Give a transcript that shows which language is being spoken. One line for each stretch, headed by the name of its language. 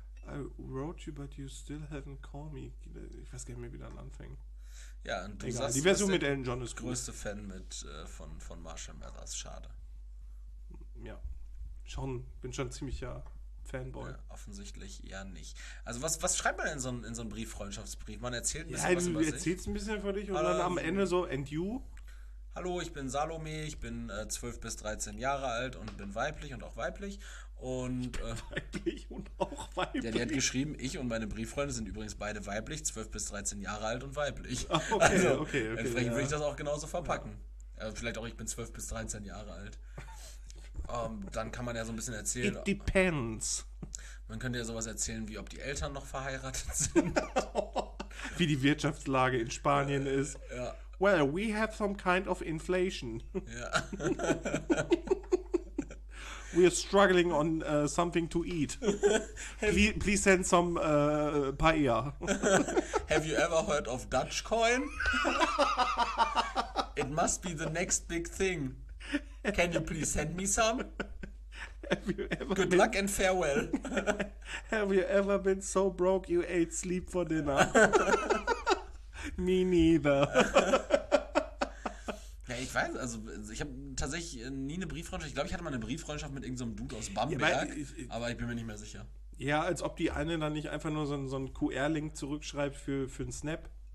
English: I wrote you, but you still haven't called me.
German: Ich weiß gar nicht mehr, wie dann anfängt. Ja, und du sagst, die Version mit Elton John ist größte cool. Fan mit von Marshall Mathers, schade. Ja, schon, bin schon ziemlicher Fanboy. Ja, offensichtlich eher nicht. Also was schreibt man in so einen Brief, Freundschaftsbrief? Man erzählt ein bisschen was über sich. Erzählst ein bisschen von dich und dann am Ende so,
English: and you?
German: Hallo, ich bin Salome, ich bin 12 bis 13 Jahre alt und bin weiblich und auch weiblich. Und weiblich und auch weiblich. Ja, die hat geschrieben, ich und meine Brieffreunde sind übrigens beide weiblich, 12 bis 13 Jahre alt und weiblich. Okay, also, okay. Entsprechend würde ich das auch genauso verpacken. Ja. Vielleicht auch, ich bin 12 bis 13 Jahre alt. dann kann man ja so ein bisschen erzählen.
English: It depends.
German: Man könnte ja sowas erzählen, wie ob die Eltern noch verheiratet sind. Wie die Wirtschaftslage in Spanien ist. Ja.
English: Well, we have some kind of inflation.
German: Ja.
English: We are struggling on something to eat. Please send some paella. Have you ever heard of Dutch coin? It must be the next big thing. Can you please send me some? Good luck and farewell. Have you ever been so broke you ate sleep for dinner? Me neither.
German: Ja, ich weiß, also ich habe tatsächlich nie eine Brieffreundschaft. Ich glaube, ich hatte mal eine Brieffreundschaft mit irgendeinem Dude aus Bamberg, ja, aber ich bin mir nicht mehr sicher. Ja, als ob die eine dann nicht einfach nur so einen QR-Link zurückschreibt für einen Snap.